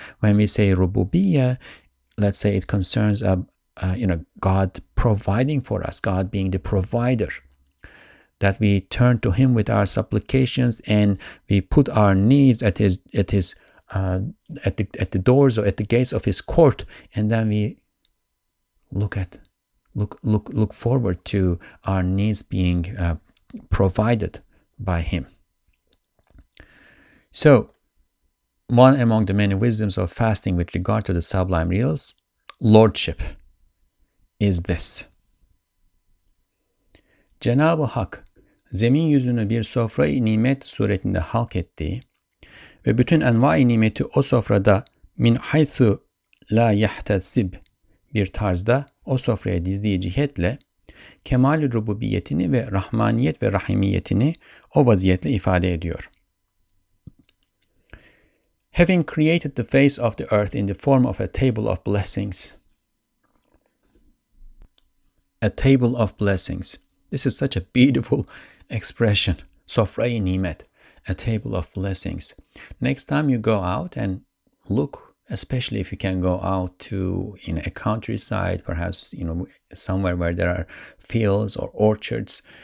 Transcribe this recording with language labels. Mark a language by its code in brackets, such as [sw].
[en] When we say Rububiyya, let's say it concerns God providing for us, God being the provider, that we turn to him with our supplications and we put our needs at the doors or at the gates of his court, and then we look forward to our needs being provided by him. So, one among the many wisdoms of fasting with regard to the sublime realms, lordship, is this. [tr] Cenab-ı Hak, zemin yüzünü bir sofra-i nimet suretinde halk ettiği ve bütün envai nimeti o sofrada [ar] min haythu la yahtasib [tr] bir tarzda o sofraya dizdiği cihetle kemal-i rububiyetini ve rahmaniyet ve rahimiyetini o vaziyetle ifade ediyor. [en] Having created the face of the earth in the form of a table of blessings. A table of blessings. This is such a beautiful expression. Sofra-i nimet. A table of blessings. Next time you go out and look, especially if you can go out to a countryside, perhaps somewhere where there are fields or orchards.